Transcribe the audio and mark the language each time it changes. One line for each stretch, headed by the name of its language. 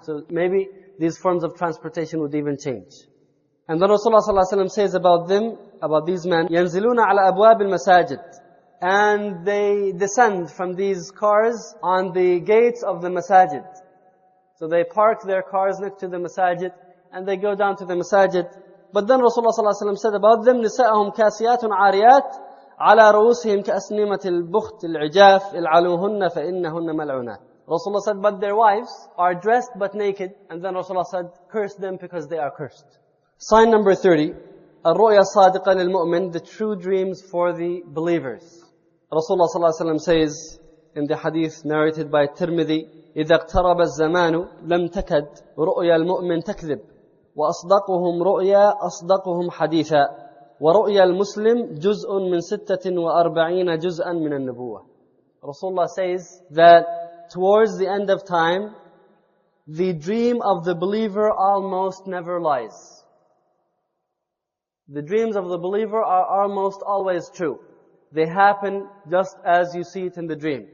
English: So maybe these forms of transportation would even change. And then Rasulullah ﷺ says about them, about these men,
Arabic: يَنْزِلُونَ عَلَى أَبْوَابِ الْمَسَاجِدِ,
English: and they descend from these cars on the gates of the masajid. So they park their cars next to the masajid, and they go down to the masajid. But then Rasulullah ﷺ said about them,
Arabic: نِسَاءُهُمْ كَاسِيَاتٌ عَارِيَاتٌ عَلَى رُؤُسِهِمْ كَأَسْنِمَةِ الْبُخْتِ الْعِجَافِ الْعَلُوهُنَّ فَإِنَّهُنَّ مَلْعُونَةٌ.
English: Rasulullah said, but their wives are dressed but naked. And then Rasulullah said, curse them because they are cursed. Sign number 30,
Arabic: الرؤيا الصادقة للمؤمن,
English: the true dreams for the believers. Rasulullah صلى الله عليه وسلم says in the hadith narrated by Tirmidhi,
Arabic: إذا اقترب الزمان لم تكد رؤيا المؤمن تكذب وأصدقهم رؤيا أصدقهم حديثا ورؤيا المسلم جزء من 46 جزءا من النبوة.
English: Rasulullah says that towards the end of time, the dream of the believer almost never lies. The dreams of the believer are almost always true. They happen just as you see it in the dream.